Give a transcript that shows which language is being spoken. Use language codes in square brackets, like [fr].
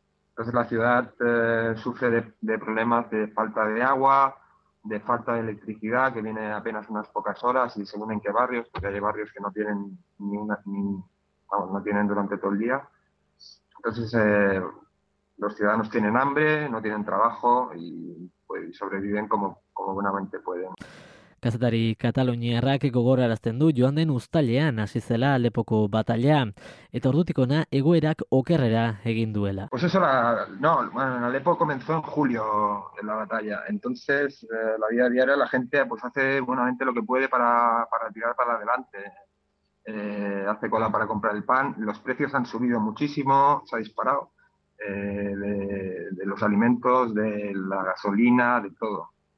[es] Entonces la ciudad sufre de problemas de falta de agua, de falta de electricidad, que viene apenas unas pocas horas, y según en qué barrios, porque hay barrios que no tienen ni una, ni, vamos, no tienen durante todo el día. Entonces los ciudadanos tienen hambre, no tienen trabajo y pues sobreviven como buenamente pueden. [eu] Kazetari kataluniarrak gogorarazten du joan den uztailean hasi zela Alepoko batalla eta ordutikona egoerak okerrera egin duela. [es] Pues eso Alepo comenzó en julio en la batalla. Entonces, la vida diaria la gente pues hace buenamente lo que puede para tirar para adelante. Hace cola para comprar el pan, los precios han subido muchísimo, se ha disparado de los alimentos, de la gasolina, de todo.